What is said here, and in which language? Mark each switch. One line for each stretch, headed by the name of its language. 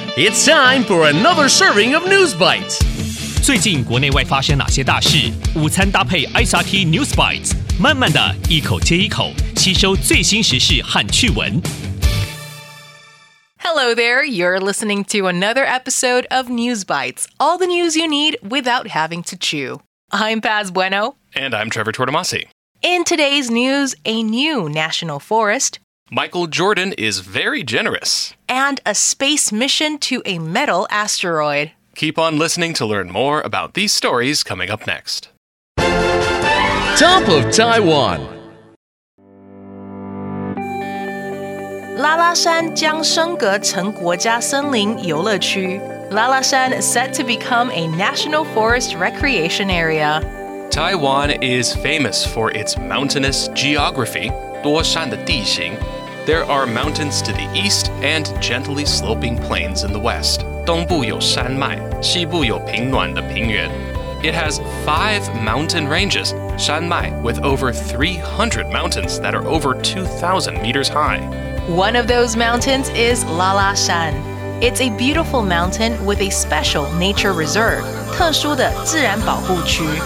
English: It's time for another serving of News Bites.
Chinese: 最近国内外发生哪些大事？午餐搭配 SRT News Bites， 慢慢的一口接一口，吸收最新时事和趣闻。
English: Hello there, you're listening to another episode of News Bites, all the news you need without having to chew. I'm Paz Bueno. And I'm Trevor Tortomasi. In today's news, a new national forest. Michael Jordan is very generous. And a space mission to a metal asteroid. Keep on listening to learn more about these stories coming up next. Top of Taiwan.
Chinese: 拉拉山将升格成国家森林游乐区。
English: 拉拉山 set to become a national forest recreation area. Taiwan is famous for its mountainous geography,
Chinese: 多山的地形。
English: There are mountains to the east and gently sloping plains in the west.
Chinese: 东部有山脉，西部有平暖的平原。
English: It has 5 mountain ranges, 山脉 with over 300 mountains that are over 2,000 meters high. One of those mountains is La La Shan. It's a beautiful mountain with a special nature reserve,
Chinese: 特殊的自然保护区。